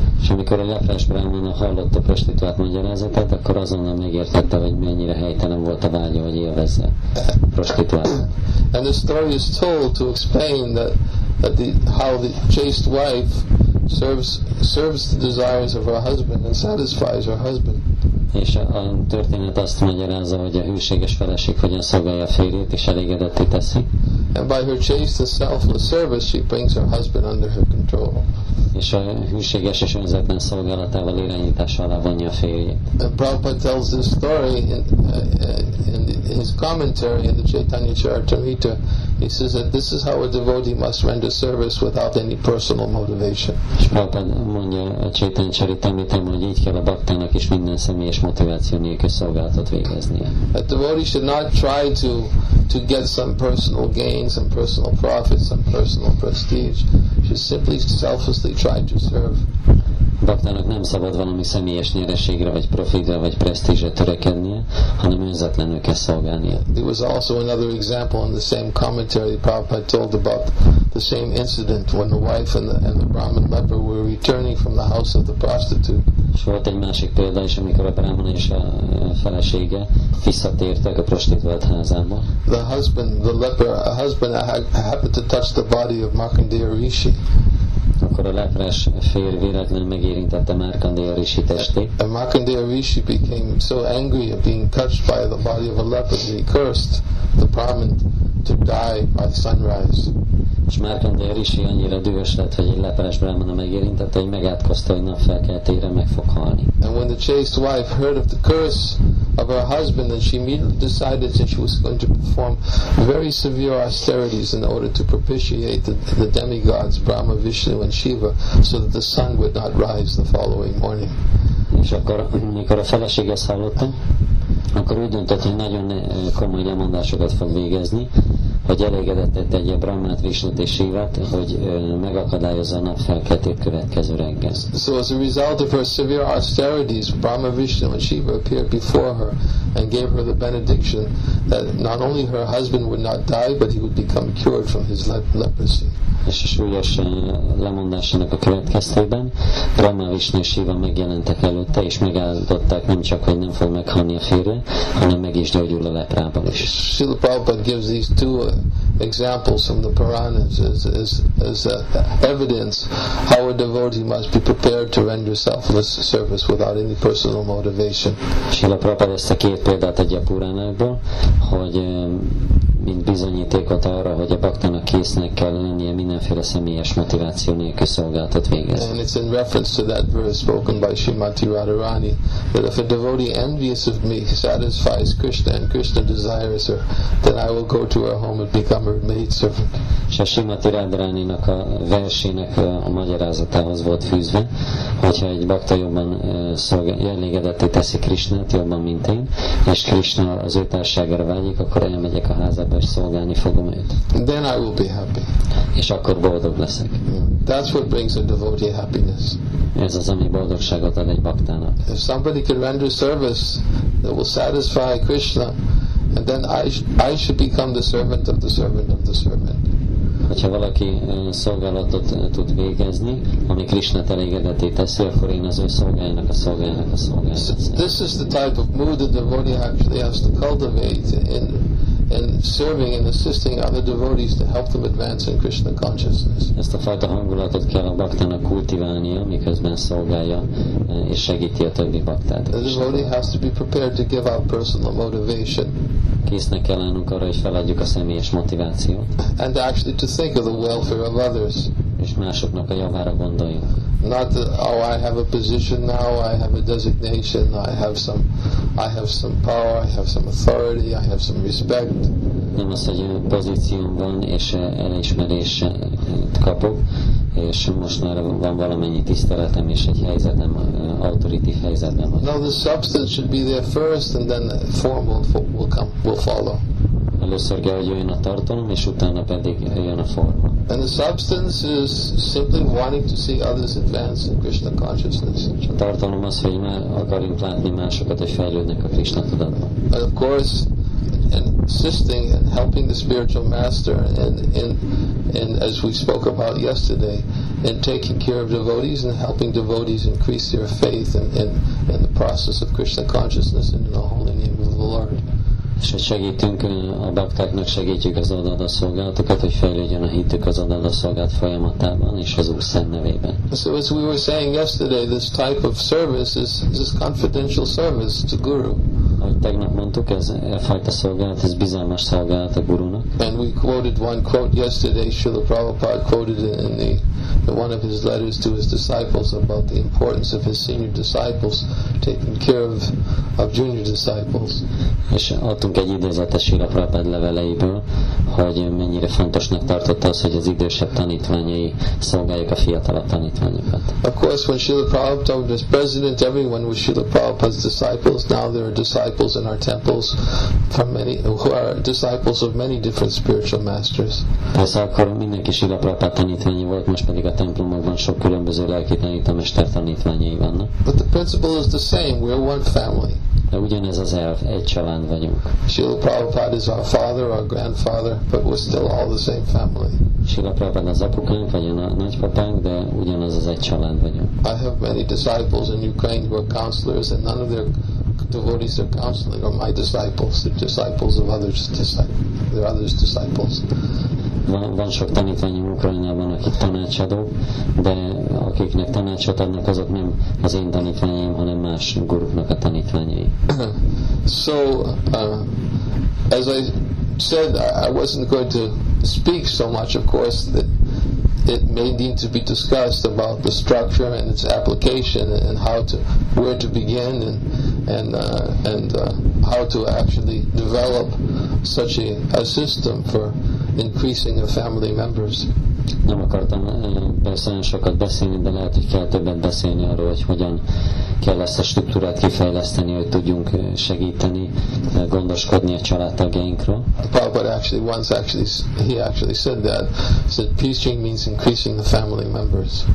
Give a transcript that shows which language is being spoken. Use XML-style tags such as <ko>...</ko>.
<hu>És amikor a lepres Brahman hallott a prostituált magyarázatát, akkor azonnal megértette, hogy mennyire helytelen volt a vágya, hogy élvezze a prostituált.</hu> <en>And the story is told to explain how the chaste wife serves the desires of her husband and satisfies her husband.</en> <hu>És a történet azt magyarázza, hogy a hűséges feleség hogyan szolgálja a férjét és elégedetté teszi.</hu> <en>And by her chaste and selfless service, she brings her husband under her control.</en> <hu>És a hűséges és önzetlen szolgálatával irányítása alá vonja a férjét.</hu> <en>And Prabhupada tells this story in his commentary in the Chaitanya Charitamrita. He says that this is how a devotee must render service without any personal motivation.</en> <hu>És Prabhupada mondja a Chaitanya Charitamritában, hogy így kell a baktának is minden személyes motiváció nélkül szolgálatot végeznie.</hu> <en>A devotee should not try to get some personal gain, some personal profit, some personal prestige. She simply selflessly tried to serve.</en> <hu>Baktának nem szabad valami személyes nyereségre, vagy profitra, vagy presztízsre törekednie, hanem önzetlenül kell szolgálnia.</hu> <en>There was also another example in the same commentary that Prabhupada told about the same incident when the wife and the Brahmin leper were returning from the house of the prostitute.</en> <hu>És volt egy másik példa is, amikor a Brahmin és a felesége visszatértek a prostituált házába.</hu> <en>The husband, the leper, a husband happened to touch the body of Markandeya Rishi.</en> <hu>Akkor a lepres fér véletlenül megérintette Markandeya Rishi testét.</hu> <en>And Markandeya Rishi became so angry at being touched by the body of a leper that he cursed the Brahmin to die by sunrise.</en> <hu>És Markandeya Rishi annyira dühös lett, hogy egy lepres Brahmana megérintette, hogy megátkozta, hogy napfelkeltére meg fog halni.</hu> <en>And when the chaste wife heard of the curse of her husband, then she immediately decided that she was going to perform very severe austerities in order to propitiate the demigods Brahma, Vishnu, and Shiva, so that the sun would not rise the following morning.</en> <hu>És akkor, mikor a felesége ezt hallotta, akkor úgy döntött, hogy nagyon komoly lemondásokat fog végezni, hogy elégedett egy Brahmát, Vishnut és Shivát, hogy megakadályozza a nap felkeltét következő reggel.</hu> <en>So as a result of her severe austerities, Brahma, Vishnu and Shiva appeared before her and gave her the benediction that not only her husband would not die, but he would become cured from his leprosy.</en> <hu>És a súlyos lemondásának a következtében Brahma, Vishnu és Shiva megjelentek előtte, és megállították nem csak, hogy nem fog meghalni a férje, hanem meg is gyógyul a leprából is.</hu> <en>Srila Prabhupada gives these two examples from the Puranas as evidence how a devotee must be prepared to render selfless service without any personal motivation.</en> <hu>Srila Prabhupada ezt a két példát adja a Puranákból, hogy mint bizonyítékot arra, hogy a baktának késznek kell lennie mindenféle személyes motiváció nélkül szolgáltat végezni.</hu> <en>And it's in reference to that verse spoken by Srimati Radharani that if a devotee envious of me satisfies Krishna and Krishna desires her, then I will go to her home and become her maidservant.</en> <hu>És a Srimati Radharaninak a versének a magyarázatához volt fűzve, hogyha egy bakta jobban elégedetté teszi Krishnát, jobban mint én, és Krishna az ő társaságára vágyik, akkor elmegyek a házába.</hu> <en>Then I will be happy.</en> <hu>És akkor boldog leszek.</hu> <en>That's what brings a devotee happiness.</en> <hu>Ez az, ami boldogságot ad egy baktának.</hu> <en>If somebody can render service that will satisfy Krishna, and then I should become the servant of the servant of the servant.</en> <hu>Hogyha valaki szolgálatot tud végezni, ami Krishna elégedetté teszi, akkor én az ő szolgájának a szolgájának a szolgájának.</hu> <en>So this is the type of mood that the devotee actually has to cultivate in serving and assisting other devotees to help them advance in Krishna consciousness.</en> <hu>Ezt a fajta hangulatot kell a baktának kultiválnia, miközben szolgálja és segíti a többi baktát.</hu> <en>The devotee has to be prepared to give up personal motivation.</en> <hu>Késznek kell lennünk arra, hogy feladjuk a személyes motivációt.</hu> <en>And actually to think of the welfare of others.</en> <hu>És másoknak a javára gondoljunk.</hu> <en>Not that, oh, I have a position now, I have a designation, I have some power, I have some authority, I have some respect.</en> <hu>Nem az, hogy pozícióm van, és elismerést kapok, és most már van valamennyi tiszteletem, és egy helyzetem, autoriti helyzetem.</hu> <en>No, the substance should be there first, and then the form will come, will follow.</en> <hu>Először kell, hogy jöjjön a tartalom, és utána pedig jön a forma.</hu> <en>And the substance is simply wanting to see others advance in Krishna consciousness.</en> <hu>A tartalom az, hogy már akarunk látni másokat, hogy fejlődnek a Krishna tudatban.</hu> <en>But of course, and assisting and helping the spiritual master, and as we spoke about yesterday, in taking care of devotees and helping devotees increase their faith in the process of Krishna consciousness and in the holy name of the Lord.</en> <hu>És hogy segítünk a baktáknak, segítjük az odaadaszolgálatokat, hogy fejlődjön a hitük az odaadaszolgálat folyamatában és az Úr Szent nevében.</hu> <en>So as we were saying yesterday, this type of service is confidential service to Guru.</en> <hu>Ahogy tegnap mondtuk, ez a fajta szolgálat, ez bizalmas szolgálat a gurunak.</hu> <en>And we quoted one quote yesterday, Srila Prabhupada quoted it in one of his letters to his disciples about the importance of his senior disciples to taking care of junior disciples.</en> <hu>És adtunk egy idézetet Srila Prabhupád leveleiből, hogy mennyire fontosnak tartotta az, hogy az idősebb tanítványai szolgáljuk a fiatalabb tanítványokat.</hu> <en>Of course, when Srila Prabhupada was president, everyone was Srila Prabhupada's disciples. Now there are disciples in our temples from many who are disciples of many different spiritual masters.</en> <hu>Persze akkor mindenki Srila Prabhupád tanítványi volt, most pedig a templomokban sok különböző lelki tanítómester tanítványai vannak.</hu> <en>But the principle is the same. We're one family.</en> <hu>De ugyanez az elv, egy család vagyunk.</hu> <en>Srila Prabhupada is our father, our grandfather, but we're still all the same family.</en> <hu>Srila Prabhupada az apukánk, vagy a nagypapánk, de ugyanaz az egy család vagyunk.</hu> <en>I have many disciples in Ukraine who are counselors, and none of their devotees are counseling or my disciples. They're disciples of others' disciples. They're others' disciples.</en> <hu>Van sok tanítványom Ukrajnában, akik tanácsadók, de akiknek tanácsot adnak, azok nem az én tanítványaim, hanem más guruknak a tanítványai.</hu> <en>So, as I said, I wasn't going to speak so much, of course, that it may need to be discussed about the structure and its application and how to, where to begin and how to actually develop such a system for increasing a family members.</en> <hu>Nem akartam persze nagyon sokat beszélni, de lehet, hogy kell többet beszélni arról, hogy hogyan kell ezt a struktúrát kifejleszteni, hogy tudjunk segíteni, gondoskodni a családtagjainkról.</hu> <en>Prabhupada actually once actually he actually said that. He said preaching means increasing the family members.</en>